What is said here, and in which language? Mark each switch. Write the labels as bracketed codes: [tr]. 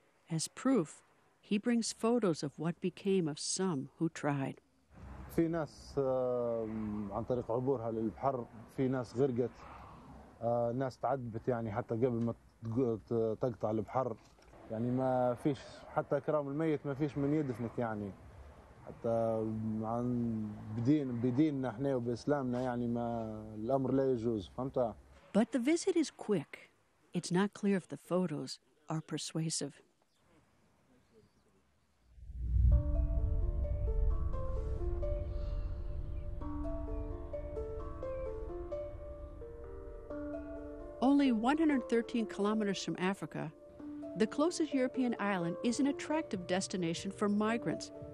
[en] As proof, he brings photos of what became of some who tried. [ar] في ناس عن طريق عبورها للبحر، في ناس غرقت، ناس تعذبت يعني حتى قبل ما تقطع البحر. يعني ما فيش حتى كرام الميت ما فيش من يدفنك يعني حتى عن بديننا احنا وبإسلامنا يعني ما الأمر لا يجوز فهمت. [en] But the visit is quick. It's not clear if the photos are persuasive. Only 113 kilometers from Africa, the closest European island is an attractive destination for migrants.